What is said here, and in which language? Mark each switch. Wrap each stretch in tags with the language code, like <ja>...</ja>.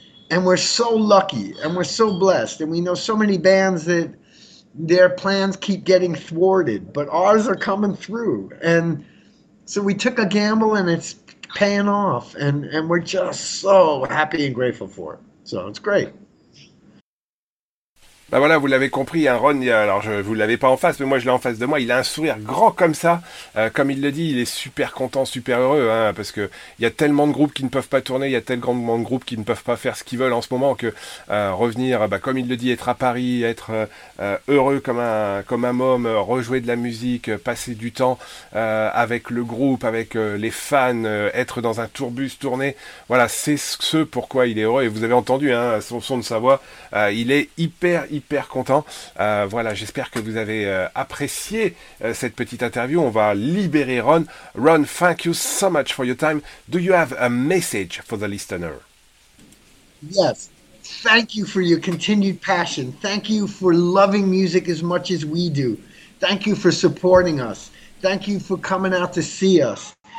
<en>And we're so lucky and we're so blessed. And we know so many bands that their plans keep getting thwarted, but ours are coming through. And so we took a gamble and it's paying off. And we're just so happy and grateful for it. So it's great.</en> <fr>Ben voilà, vous l'avez compris, hein, Ron, alors je vous l'avais pas en face, mais moi je l'ai en face de moi, il a un sourire grand comme ça, comme il le dit, il est super content, super heureux, hein, parce que il y a tellement de groupes qui ne peuvent pas tourner, il y a tellement de groupes qui ne peuvent pas faire ce qu'ils veulent en ce moment, que revenir, ben, comme il le dit, être à Paris, être heureux comme un môme, rejouer de la musique, passer du temps avec le groupe, avec les fans, être dans un tourbus, tourner, voilà, c'est ce pourquoi il est heureux, et vous avez entendu, hein, son de sa voix, il est hyper content. Voilà, j'espère que vous avez apprécié cette petite interview. On va libérer Ron.</fr> <en>Ron, thank you so much for your time. Do you have a message for the listener? Yes. Thank you for your continued passion. Thank you for loving music as much as we do. Thank you for supporting us. Thank you for coming out to see us.</en>